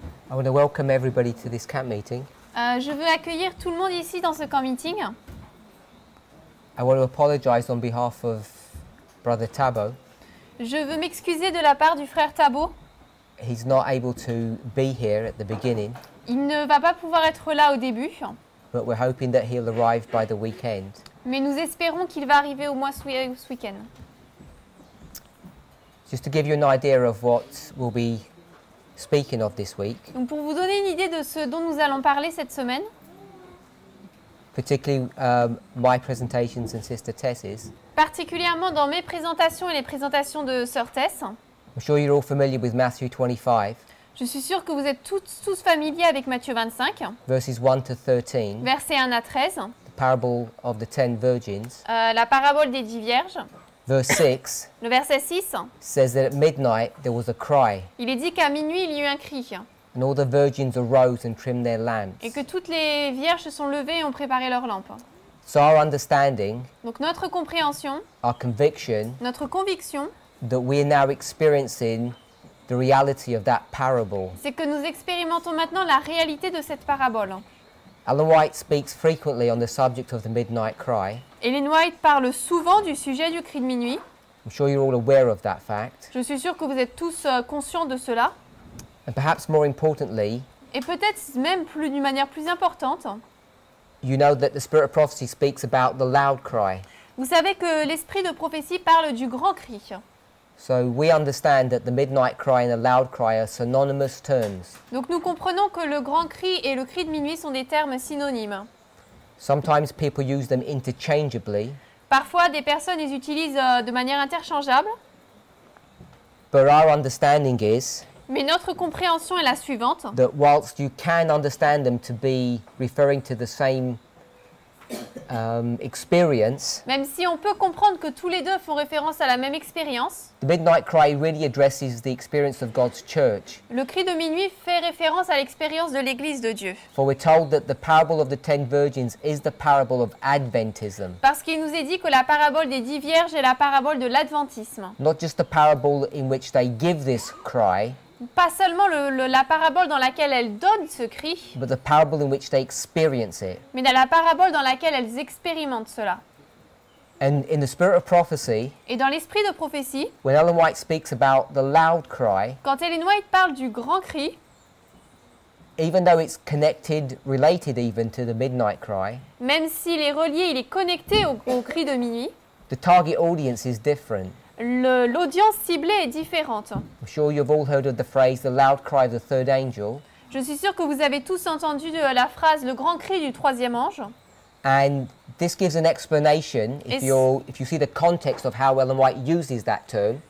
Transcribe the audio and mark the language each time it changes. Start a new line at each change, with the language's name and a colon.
English: I want to welcome everybody to this camp meeting.
French: Je veux accueillir tout le monde ici dans ce camp meeting.
English: I want to apologize on behalf of Brother Thabo.
French: Je veux m'excuser de la part du frère Thabo.
English: He's not able to be here at the beginning.
French: Il ne va pas pouvoir être là au début.
English: But we're hoping that he'll arrive by the weekend.
French: Mais nous espérons qu'il va arriver au moins ce week-end.
English: Just to give you an idea of what we'll be speaking of this week.
French: Donc pour vous donner une idée de ce dont nous allons parler cette semaine.
English: Particularly my presentations and Sister Tess's.
French: Particulièrement dans mes présentations et les présentations de Sœur Tess.
English: I'm sure you're all familiar with Matthew 25.
French: Je suis sûre que vous êtes tous familiers avec Matthieu 25.
English: Verses 1 to 13.
French: Versets 1 à 13.
English: The parable of the 10 virgins.
French: La parabole des 10 vierges.
English: Verse 6.
French: Le verset 6.
English: Says that at midnight there was a cry.
French: Il est dit qu'à minuit il y eut un cri.
English: And all the virgins arose and trimmed their lamps.
French: Et que toutes les vierges se sont levées et ont préparé leurs lampes.
English: So our understanding.
French: Donc notre compréhension.
English: Our conviction.
French: Notre conviction.
English: That we are now experiencing the reality of that parable.
French: C'est que nous expérimentons maintenant la réalité de cette parabole.
English: Ellen White speaks frequently on the subject of the midnight cry.
French: Ellen White parle souvent du sujet du cri de minuit.
English: I'm sure you're all aware of that fact.
French: Je suis sûre que vous êtes tous conscients de cela.
English: And perhaps more importantly.
French: Et peut-être même plus d'une manière plus importante.
English: You know that the spirit of prophecy speaks about the loud cry.
French: Vous savez que l'esprit de prophétie parle du grand cri.
English: So we understand that the midnight cry and the loud cry are synonymous terms.
French: Donc nous comprenons que le grand cri et le cri de minuit sont des termes synonymes.
English: Sometimes people use them interchangeably.
French: Parfois des personnes les utilisent de manière interchangeable.
English: But our understanding is.
French: Mais notre compréhension est la suivante.
English: That whilst you can understand them to be referring to the same experience.
French: Même si on peut comprendre que tous les deux font référence à la même expérience.
English: The midnight cry really addresses the experience of God's church.
French: Le cri de minuit fait référence à l'expérience de l'église de Dieu.
English: For we're told that the parable of the 10 virgins is the parable of Adventism.
French: Parce qu'il nous est dit que la parabole des 10 vierges est la parabole de l'adventisme.
English: Not just the parable in which they give this cry.
French: Pas seulement la parabole dans laquelle elles donnent ce cri,
English: but the parable in which they experience it.
French: Mais dans la parabole dans laquelle elles expérimentent cela.
English: And in the spirit of prophecy,
French: et dans l'esprit de prophétie,
English: when Ellen White speaks about the loud cry,
French: quand Ellen White parle du grand cri,
English: even though it's connected, related even to the midnight cry,
French: même s'il est relié, il est connecté au cri de minuit,
English: the target audience is different.
French: L'audience ciblée est différente.
English: I'm sure you've all heard of the phrase the loud cry of the third angel.
French: Je suis sûre que vous avez tous entendu la phrase le grand cri du troisième ange.
English: And this gives an explanation if you see the context of how Ellen White uses that term.